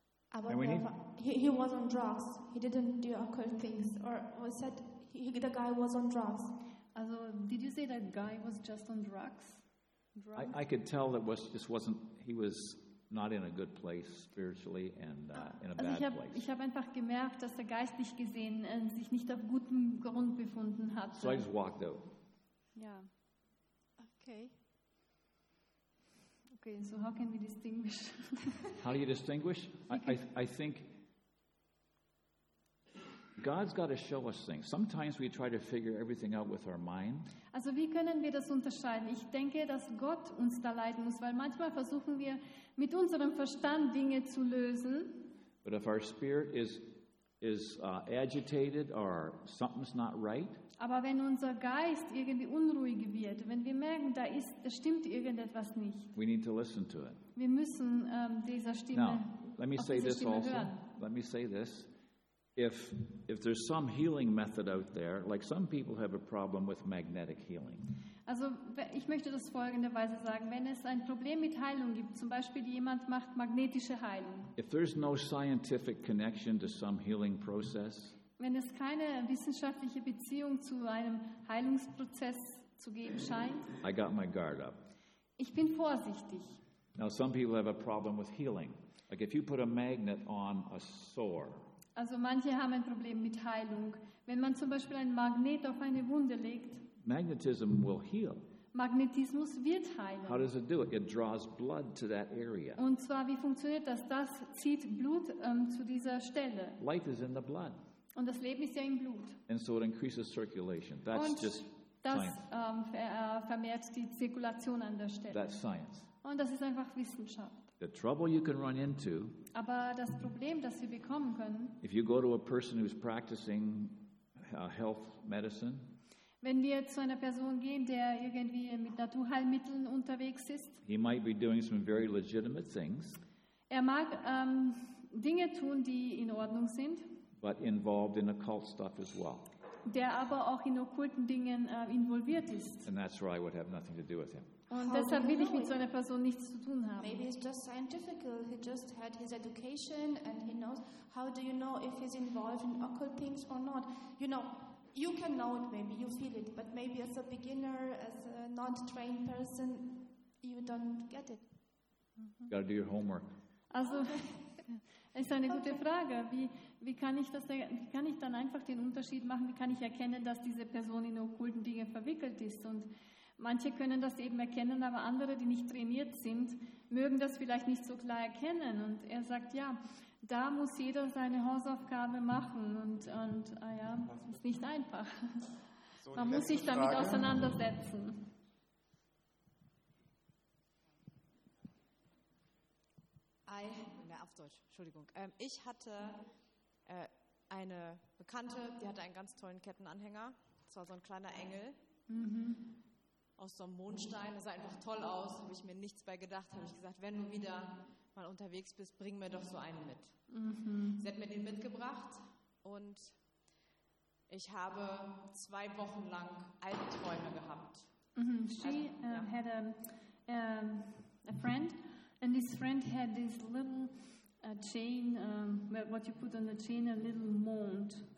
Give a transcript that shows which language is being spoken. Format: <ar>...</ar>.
<de>Aber</de> <en>he was on drugs. He didn't do occult things. Or was said the guy was on drugs. Also, did you say that guy was just on drugs? I could tell that wasn't. He was not in a good place spiritually and in a bad place.</en> <de>Ich habe einfach gemerkt, dass der geistlich gesehen sich nicht auf gutem Grund befunden hat.</de> <en>So I just walked out. Yeah. Okay. Okay, so how can we distinguish? How do you distinguish? I think God's got to show us things. Sometimes we try to figure everything out with our mind.</en> <de>Also, wie können wir das unterscheiden? Ich denke, dass Gott uns da leiten muss, weil manchmal versuchen wir mit unserem Verstand Dinge zu lösen.</de> <en>But if our spirit is agitated or something's not right.</en> <de>Aber wenn unser Geist irgendwie unruhig wird, wenn wir merken, da stimmt irgendetwas nicht.</de> <en>We need to listen to it.</en> <de>Wir müssen dieser Stimme hören.</de> <en>Let me say this also. Let me say this. If there's some healing method out there, like some people have a problem with magnetic healing.</en> <de>Also, ich möchte das folgende Weise sagen: Wenn es ein Problem mit Heilung gibt, zum Beispiel jemand macht magnetische Heilung.</de> <en>If there's no scientific connection to some healing process.</en> <de>Wenn es keine wissenschaftliche Beziehung zu einem Heilungsprozess zu geben scheint.</de> <en>I got my guard up.</en> <de>Ich bin vorsichtig.</de> <en>Now some people have a problem with healing, like if you put a magnet on a sore.</en> <de>Also manche haben ein Problem mit Heilung. Wenn man zum Beispiel ein Magnet auf eine Wunde legt,</de> <en>Magnetism will heal.</en> <de>Magnetismus wird heilen.</de> <en>How does it do it? It draws blood to that area.</en> <de>Und zwar, wie funktioniert das? Das zieht Blut zu dieser Stelle.</de> <en>Life is in the blood.</en> <de>Und das Leben ist ja im Blut.</de> <en>And so it increases circulation. That's</en> <de>Und</de> <en>just</en> <de>das</de> <en>science.</en> <de>Vermehrt die Zirkulation an der Stelle.</de> <en>That's science.</en> <de>Und das ist einfach Wissenschaft.</de> <en>The trouble you can run into.</en> <de>Aber das Problem, das wir bekommen können.</de> <en>If you go to a person who's practicing health medicine.</en> <de>Wenn wir zu einer Person gehen, der irgendwie mit Naturheilmitteln unterwegs ist.</de> <en>He might be doing some very legitimate things.</en> <de>Er mag Dinge tun, die in Ordnung sind.</de> <en>But involved in occult stuff as well.</en> <de>Der aber auch in okkulten Dingen involviert ist.</de> <en>And that's where I would have nothing to do with him.</en> <de>Und</de> <en>How</en> <de>deshalb will ich mit so einer Person nichts zu tun haben.</de> <en>Maybe it's just scientific. He just had his education and he knows. How do you know if he's involved in occult things or not? You know, you can know it maybe, you feel it, but maybe as a beginner, as a not trained person, you don't get it. You gotta do your homework.</en> <de>Also, es ist eine gute Frage. Wie kann ich dann einfach den Unterschied machen? Wie kann ich erkennen, dass diese Person in okkulten Dinge verwickelt ist? Und manche können das eben erkennen, aber andere, die nicht trainiert sind, mögen das vielleicht nicht so klar erkennen. Und er sagt, ja, da muss jeder seine Hausaufgabe machen. Und das ist nicht einfach. So, man muss sich damit auseinandersetzen. Auf Deutsch, Entschuldigung. Ich hatte eine Bekannte, die hatte einen ganz tollen Kettenanhänger. Das war so ein kleiner Engel. Mhm. Aus so einem Mondstein, das sah einfach toll aus, habe ich mir nichts bei gedacht, habe ich gesagt, wenn du wieder mal unterwegs bist, bring mir doch so einen mit. Mhm. Sie hat mir den mitgebracht und ich habe 2 Wochen lang Albträume gehabt. Mhm.</de> <en>She had a friend and this friend had this little chain, what you put on the chain, a little moon.</en>